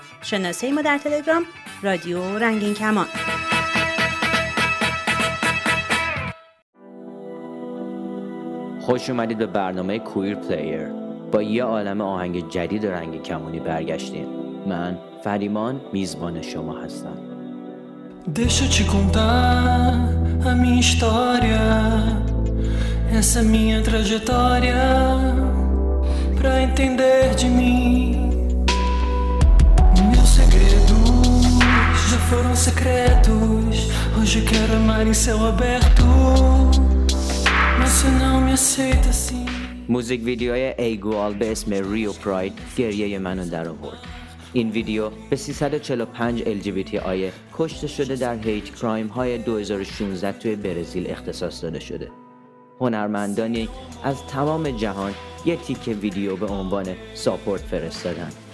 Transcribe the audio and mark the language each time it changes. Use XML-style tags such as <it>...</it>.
<fa>شناسه ما در تلگرام رادیو رنگین کمان. خوش اومدید به برنامه کویر پلیر. با یه عالم آهنگ جدید رنگین کمانی برگشتیم. من فریمان میزبان شما هستم.</fa> <pt>Deixa te contar a minha história. Essa minha trajetória pra entender de mim. Meus segredos já foram secretos. Hoje quero amar em céu aberto. Mas se não me aceita assim. Music video é igual</pt> <fa>به اسم Rio Pride گریه منو در آورد. این ویدیو به 345 LGBTI کشته شده در هیت کرایم های 2016 توی برزیل اختصاص داده شده. هنرمندانی از تمام جهان یه تیک ویدیو به عنوان ساپورت فرستادن.</fa>